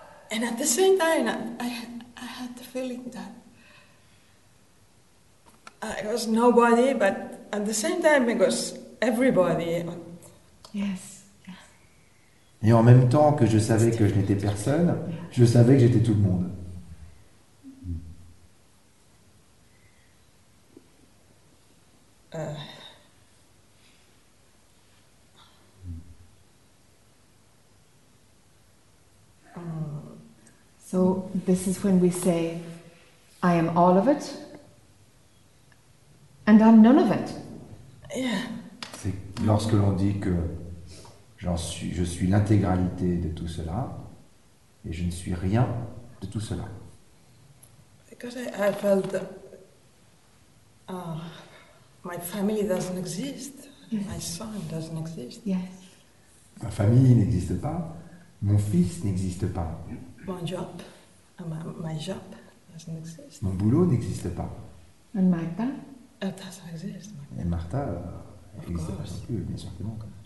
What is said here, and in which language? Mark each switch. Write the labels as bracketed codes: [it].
[en] And at the same time, I had the feeling that it was nobody, but at the same time, it was everybody. Yes. [fr] Et en même temps que je savais que je n'étais personne, je savais que j'étais tout le monde. [en] So this is when we say, I am all of it, and I'm none of it. Yeah. [fr] C'est lorsque l'on dit que je suis l'intégralité de tout cela, et je ne suis rien de tout cela. [en] Because I felt that my family doesn't exist, my son doesn't exist. Yes. [fr] Ma famille n'existe pas, mon fils n'existe pas. Mon job. [en] My job doesn't exist. [fr] Mon boulot n'existe pas. [en] And Martha? It doesn't exist. [fr] Et Martha n'existe pas non plus, bien certainement.